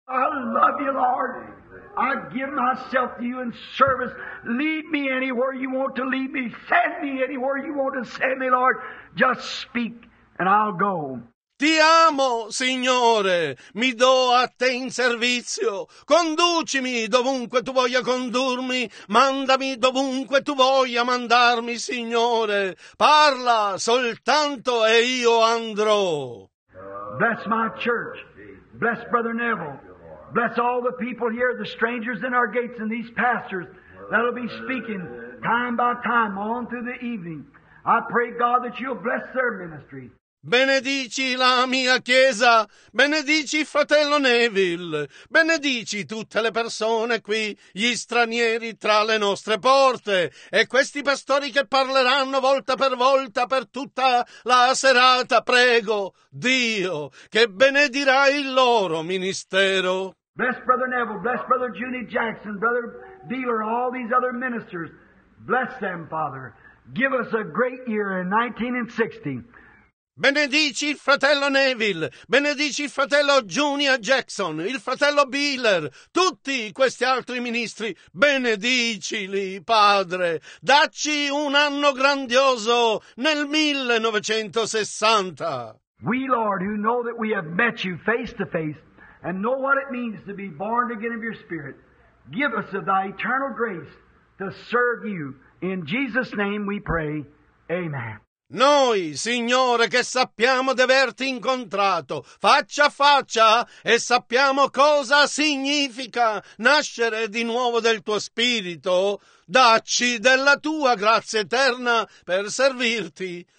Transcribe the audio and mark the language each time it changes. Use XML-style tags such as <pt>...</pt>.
<en>I love you, Lord. I give myself to you in service. Lead me anywhere you want to lead me. Send me anywhere you want to send me, Lord. Just speak and I'll go.</en> <it>Ti amo, Signore. Mi do a te in servizio. Conducimi dovunque tu voglia condurmi. Mandami dovunque tu voglia mandarmi, Signore. Parla soltanto e io andrò.</it> <en>Bless my church. Bless Brother Neville. Bless all the people here, the strangers in our gates, and these pastors that'll be speaking time by time on through the evening. I pray, God, that you'll bless their ministry.</en> <it>Benedici la mia chiesa, benedici fratello Neville, benedici tutte le persone qui, gli stranieri tra le nostre porte e questi pastori che parleranno volta per tutta la serata. Prego, Dio, che benedirà il loro ministero.</it> <en>Bless Brother Neville, bless Brother Junie Jackson, Brother Dealer, all these other ministers. Bless them, Father. Give us a great year in 1960.</en> <it>Benedici il fratello Neville, benedici il fratello Junior Jackson, il fratello Biller, tutti questi altri ministri, benedicili, Padre. Dacci un anno grandioso nel 1960.</it> <en>We, Lord, who know that we have met you face to face and know what it means to be born again of your Spirit, give us of thy eternal grace to serve you. In Jesus' name we pray. Amen.</en> <it>Noi, Signore, che sappiamo di averti incontrato faccia a faccia e sappiamo cosa significa nascere di nuovo del tuo Spirito, dacci della tua grazia eterna per servirti.</it>